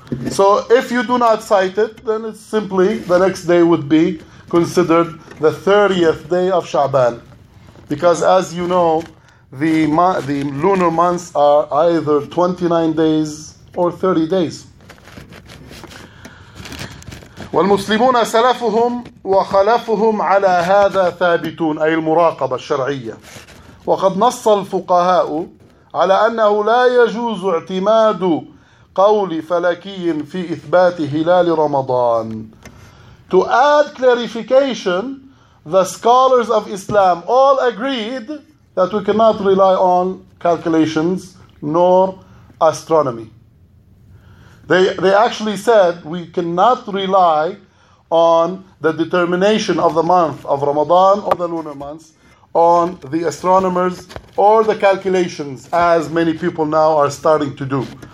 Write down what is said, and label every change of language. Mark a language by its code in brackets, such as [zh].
[en] So if you do not sight it, then it's simply the next day would be considered the 30th day of Sha'ban. Because as you know, the lunar months are either 29 days or 30 days. [ar] والمسلمون سلفهم وخلفهم على هذا ثابتون أي المراقبة الشرعية وقد نص الفقهاء على أنه لا يجوز اعتماد قول فلكي في إثبات هلال رمضان. [en] To add clarification, the scholars of Islam all agreed that we cannot rely on calculations nor astronomy. They actually said we cannot rely on the determination of the month of Ramadan or the lunar months on the astronomers or the calculations, as many people now are starting to do.